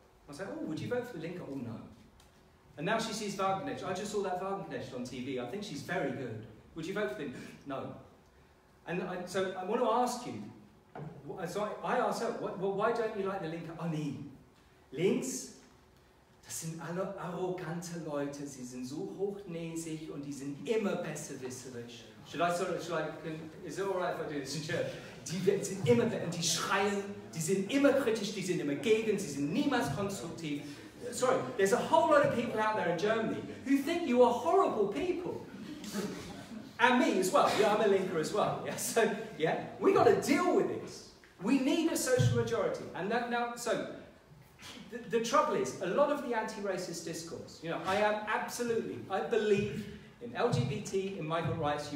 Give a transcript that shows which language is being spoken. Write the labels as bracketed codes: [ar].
[en] I said, oh, would you vote for the Linke? Oh, no. And now she sees Wagenknecht. I just saw that Wagenknecht on TV. I think she's very good. Would you vote for him? No. And so I want to ask you, so I asked her, why don't you like the Linke? [de] Oh, nee. Links? Das sind alle arrogante Leute. Sie sind so hochnäsig und die sind immer besserwisserisch. [en] Is it alright if I do this in church? [de] Die sind immer besser, und die schreien, die sind immer kritisch, die sind immer gegen, sie sind niemals konstruktiv. [en] Sorry, there's a whole lot of people out there in Germany who think you are horrible people. And me as well. Yeah, I'm a Linker as well. Yeah, so, yeah, we got to deal with this. We need a social majority. And that now, so, the trouble is, a lot of the anti-racist discourse, you know, I believe in LGBT, in migrant rights.